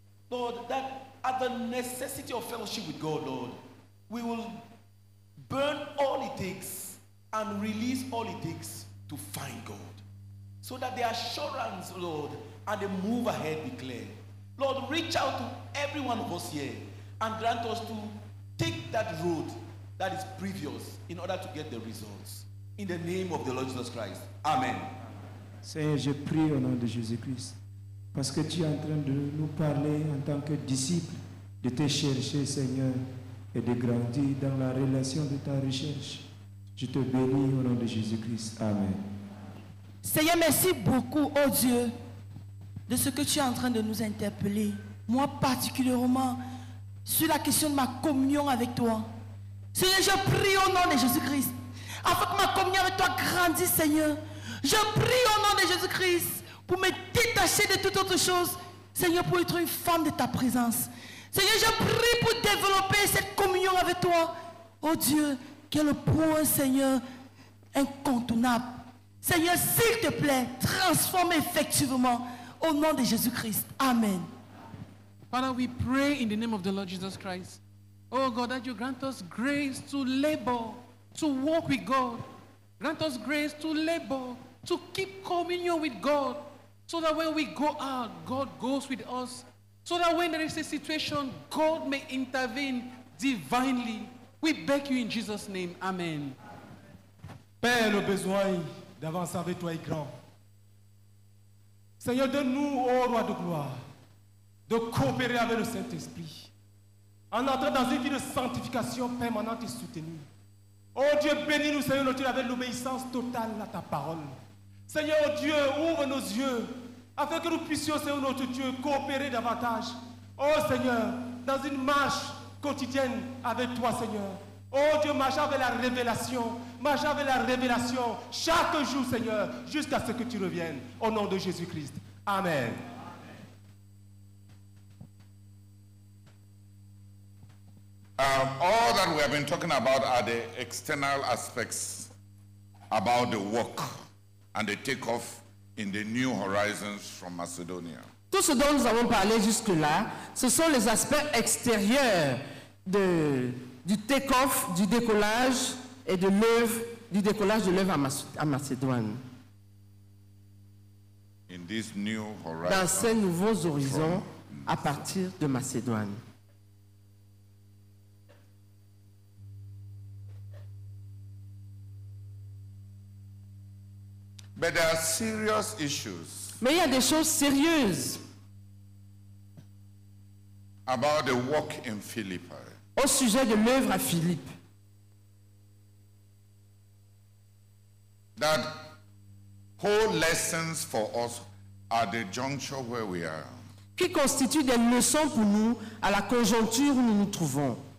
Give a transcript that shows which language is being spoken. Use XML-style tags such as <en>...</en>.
<en>Lord, that at the necessity of fellowship with God, Lord, we will burn all it takes and release all it takes to find God. So that the assurance, Lord, and the move ahead be clear. Lord, reach out to every one of us here and grant us to take that road that is previous in order to get the results. In the name of the Lord Jesus Christ. Amen.</en> <fr>Seigneur, je prie au nom de Jésus-Christ parce que tu es en train de nous parler en tant que disciple, de te chercher, Seigneur, et de grandir dans la relation de ta recherche. Je te bénis au nom de Jésus-Christ. Amen. Seigneur, merci beaucoup, oh Dieu, de ce que tu es en train de nous interpeller, moi particulièrement, sur la question de ma communion avec toi. Seigneur, je prie au nom de Jésus-Christ, afin que ma communion avec toi grandisse, Seigneur. Je prie au nom de Jésus-Christ pour me détacher de toute autre chose, Seigneur, pour être une femme de ta présence. Seigneur, je prie pour développer cette communion avec toi. Oh Dieu, qui est le point, Seigneur, incontournable. Seigneur, s'il te plaît, transforme effectivement au nom de Jésus-Christ. Amen.</fr> <en>Father, we pray in the name of the Lord Jesus Christ. Oh God, that you grant us grace to labor, to walk with God. Grant us grace to labor, to keep communion with God, so that when we go out, God goes with us. So that when there is a situation, God may intervene divinely. We beg you in Jesus' name. Amen.</en> <fr>Père, le besoin d'avancer avec toi est grand. Seigneur, donne-nous, ô roi de gloire, de coopérer avec le Saint-Esprit, en entrant dans une vie de sanctification permanente et soutenue. Oh Dieu, bénis-nous, Seigneur, notre Dieu, avec l'obéissance totale à ta parole. Seigneur, oh Dieu, ouvre nos yeux, afin que nous puissions, Seigneur, notre Dieu, coopérer davantage. Oh Seigneur, dans une marche quotidienne avec toi, Seigneur. Oh Dieu, marche avec la révélation. Marche avec la révélation chaque jour, Seigneur, jusqu'à ce que tu reviennes. Au nom de Jésus-Christ. Amen.</fr> <en>All that we have been talking about are the external aspects about the work and the takeoff in the new horizons from Macedonia.</en> <fr>Tout ce dont nous avons parlé jusque-là, ce sont les aspects extérieurs du take-off, du décollage et de l'œuvre, du décollage de l'œuvre à Macédoine.</fr> <en>In this new horizon,</en> <fr>dans ces nouveaux horizons à partir de Macédoine.</fr> <en>But there are serious issues.</en> <fr>Mais il y a des choses sérieuses</fr> <en>about the work in Philippi.</en> <fr>Au sujet de l'œuvre à Philippe.</fr> <en>That whole lessons for us at the juncture where we are.</en> <fr>Qui constitue des leçons pour nous à la conjoncture où nous nous trouvons.</fr>